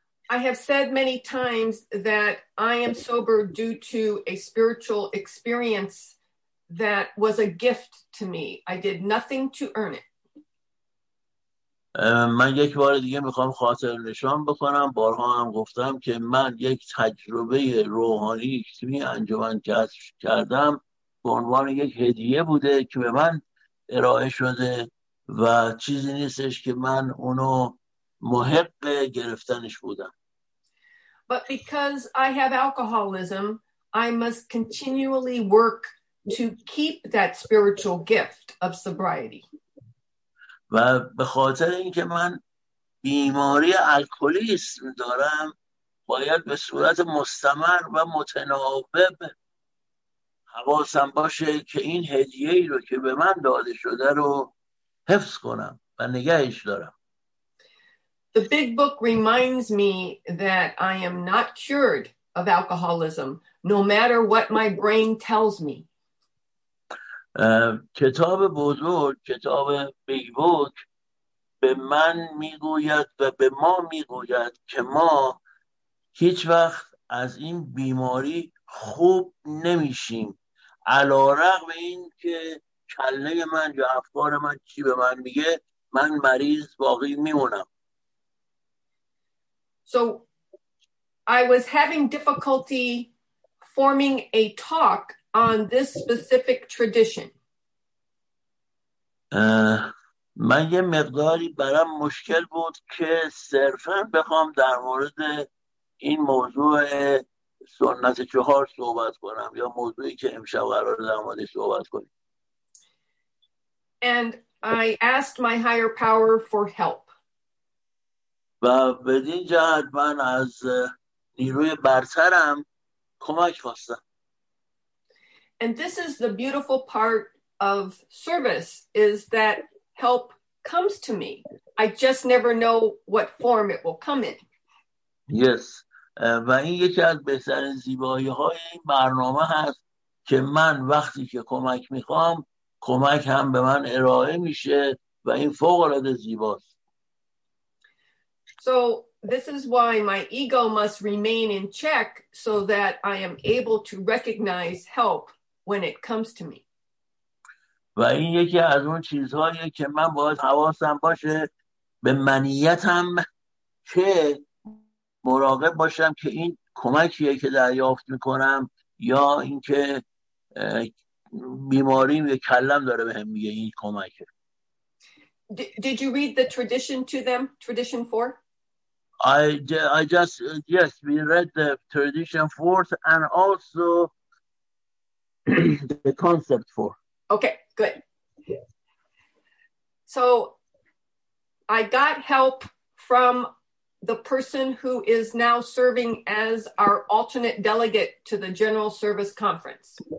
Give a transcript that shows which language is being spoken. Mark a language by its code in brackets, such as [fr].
[en] I have said many times that I am sober due to a spiritual experience that was a gift to me. I did nothing to earn it. [fa] من یک بار دیگه میخوام خاطر نشان بکنم، بارها هم گفتم که من یک تجربه روحانی اکتمی انجمن کسب کردم به عنوان یک هدیه بوده که به من ارائه شده و چیزی نیستش که من اونو محق گرفتنش بودم. [en] But because I have alcoholism, I must continually work to keep that spiritual gift of sobriety. [fa] و به خاطر اینکه من بیماری الکلیسم دارم، باید به صورت مستمر و متناوب حواسم باشه که این هدیه ای رو که به من داده شده رو حفظ کنم و نگهش دارم. [en] The big book reminds me that I am not cured of alcoholism no matter what my brain tells me. [fa] کتاب بزرگ، کتاب بیگ بوک به من میگوید و به ما میگوید که ما هیچ وقت از این بیماری خوب نمیشیم، علارغم این که کله من یا افکار من چی به من میگه، من مریض باقی میمونم. [en] So I was having difficulty forming a talk on this specific tradition. [fa] من یه مقداری برام مشکل بود که صرفا بخوام در مورد این موضوع سنت چهار صحبت کنم یا موضوعی که امشب قرار در موردش صحبت کنیم. [en] And I asked my higher power for help. [fa] و بدین جهت من از نیروی برترم کمک خواستم. [en] And this is the beautiful part of service, is that help comes to me. I just never know what form it will come in. Yes. [fa] و این یکی از بهترین زیبایی های این برنامه هست که من وقتی که کمک میخوام کمک هم به من ارائه میشه و این فوق العاده زیباست. [en] So this is why my ego must remain in check so that I am able to recognize help when it comes to me. [fa] و این یکی از اون چیزهایی که من باید حواسم باشه به منیتم که مراقب باشم که این کمکیه که دریافت میکنم یا اینکه بیماریم یه کلم داره به هم میگه این کمکه. [en] Did you read the tradition to them, tradition 4? Yes, we read the tradition 4 and also the concept 4. Okay, good. So, I got help from the person who is now serving as our alternate delegate to the General Service Conference.